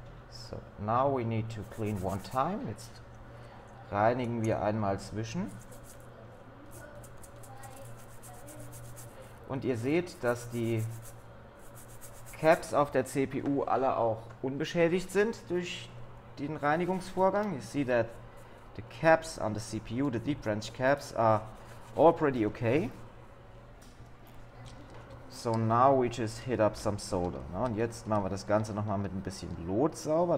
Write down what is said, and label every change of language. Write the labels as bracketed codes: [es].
[en] So, now we need to clean one time. [de] Jetzt reinigen wir einmal zwischen. Und ihr seht, dass die Caps auf der CPU alle auch unbeschädigt sind durch den Reinigungsvorgang. [en] You see that the caps on the CPU, the deep branch caps, are all pretty okay. So now we just hit up some solder. Ne? [de] Und jetzt machen wir das Ganze nochmal mit ein bisschen Lot sauber.